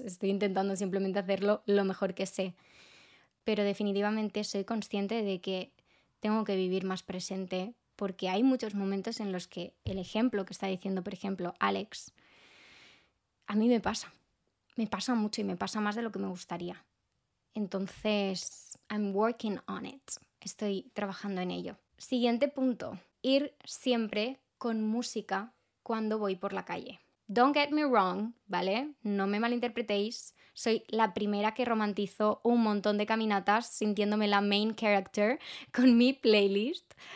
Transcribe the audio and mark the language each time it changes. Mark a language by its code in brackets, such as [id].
[es] Estoy intentando simplemente hacerlo lo mejor que sé. Pero definitivamente soy consciente de que tengo que vivir más presente porque hay muchos momentos en los que el ejemplo que está diciendo, por ejemplo, Alex, a mí me pasa. Me pasa mucho y me pasa más de lo que me gustaría. Entonces, [en] I'm working on it. [es] Estoy trabajando en ello. Siguiente punto. Ir siempre con música cuando voy por la calle. [en] Don't get me wrong, [es] ¿vale? No me malinterpretéis. Soy la primera que romantizo un montón de caminatas sintiéndome la main character con mi playlist.